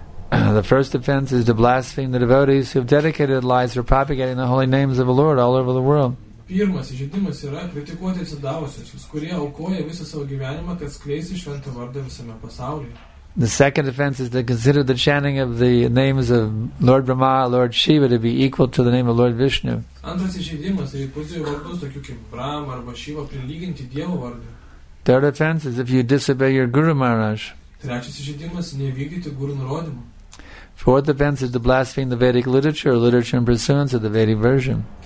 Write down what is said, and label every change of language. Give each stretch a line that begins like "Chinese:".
English: The first offense is to blaspheme the devotees who have dedicated lives for propagating the holy names of the Lord all over the world.
Lithuanian: Pirmas įžeidimas yra kritikuoti atsidavusiuosius, kurie aukoja visą savo gyvenimą, kad skleisi šventą vardą visame pasaulyje.
English: The second offense is to consider the chanting of the names of Lord Brahma, Lord Shiva to be equal to the name of Lord Vishnu.
Lithuanian: Antras įžeidimas yra puzių vardus, tokių kaip Brahma arba Shiva, prilyginti Dievo vardu.
English: Third offense is if you disobey your Guru Maharaj.
Lithuanian: Trečias įžeidimas – nevykdyti Guru nurodymų.
English: Fourth offense is to blaspheme the Vedic literature or literature in pursuance of the Vedic version.